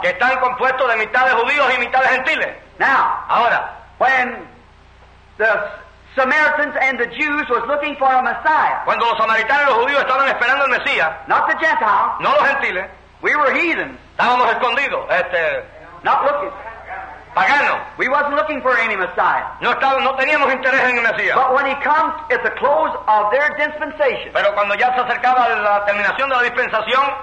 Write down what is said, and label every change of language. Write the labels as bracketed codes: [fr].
[es] Que están compuestos de mitad de judíos y mitad de gentiles. [en] Now, [es] ahora, [en] when the Samaritans and the Jews was looking for a Messiah. [es] Cuando los samaritanos y los judíos estaban esperando el Mesías. [en] Not the Gentiles. [es] No los gentiles. [en] We were heathens. [es] Estábamos escondidos. [en] Not looking. [es] Pagano. [en] We wasn't looking for any Messiah. [es] No teníamos interés en el Mesías. [en] But when he comes at the close of their dispensation. [es] Pero cuando ya se acercaba la terminación de la dispensación.